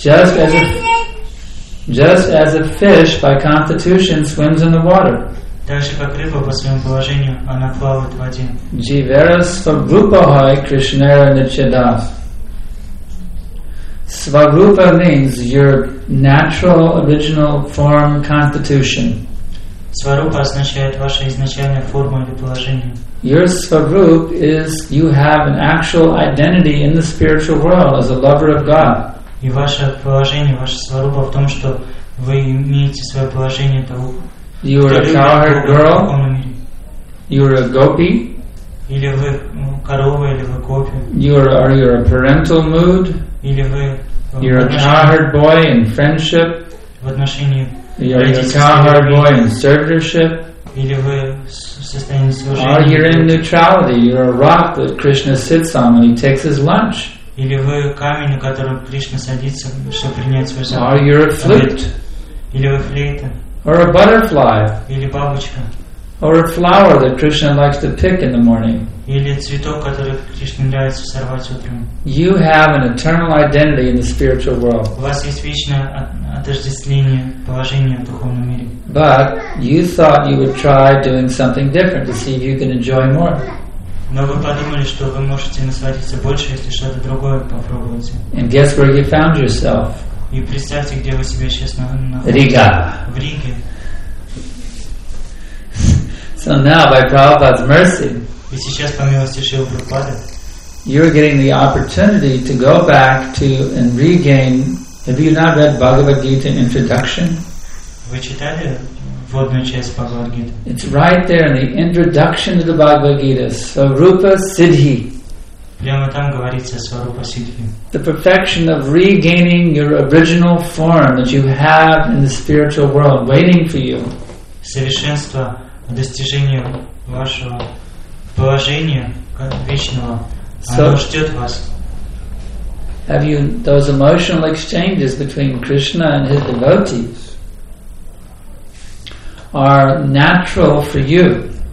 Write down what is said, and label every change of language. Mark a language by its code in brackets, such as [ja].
[en] just as a fish by constitution swims in the water. [ru] Так же как рыба по своему положению она плавает в воде. [bn] Jivaras svarupahai Krishnara nichadas. [en] Svarupa means your natural, original form, constitution. [ru] Svarupa означает ваша изначальная форма или положение. [en] Your svarup is you have an actual identity in the spiritual world as a lover of God. [ru] И ваше положение, ваше svarupa в том, что вы имеете свое положение того, [en] You are a cowherd girl? You are a gopi? [ru] Или вы корова, или вы гопи? [en] Are you a parental mood? [ru] Или вы [en] You're a cowherd boy in friendship? [ru] В отношении [en] You're a cowherd boy in servitorship? [ru] Или вы в состоянии служения? [en] Are you in neutrality? You're a rock that Krishna sits on when he takes his lunch? [ru] Или вы камень, на котором Кришна садится, чтобы принять свой завтрак? [en] Are you a flute? [ru] Или вы флейта? [en] Or a butterfly? [ru] Или бабочка? [en] Or a flower that Krishna likes to pick in the morning? [ru] Или цветок, который Кришне нравится сорвать утром? [en] You have an eternal identity in the spiritual world. [ru] У вас есть вечное отождествление, положение в духовном мире. [en] But you thought you would try doing something different to see if you can enjoy more. [ru] Но вы подумали, что вы можете насладиться больше, если что-то другое попробуете. [en] And guess where you found yourself? [ru] И представьте, где вы себя сейчас находите. Рига. В Риге. [en] So now, by Prabhupada's mercy, [ru] и сейчас, по милости Шрилы Прабхупады, [en] you're getting the opportunity to go back to and regain. Have you not read Bhagavad Gita introduction? [ru] Вы читали вводную часть Бхагавад Гиты? [en] It's right there in the introduction to the Bhagavad Gita. Сварупа Сиддхи. [ru] Прямо там говорится Сварупа Сиддхи. [en] The perfection of regaining your original form that you have in the spiritual world waiting for you. [ru] Совершенство достижения вашего положения вечного. [en] So, [ru] оно ждет вас. [en] Have you those emotional exchanges between Krishna and his devotees are natural for you?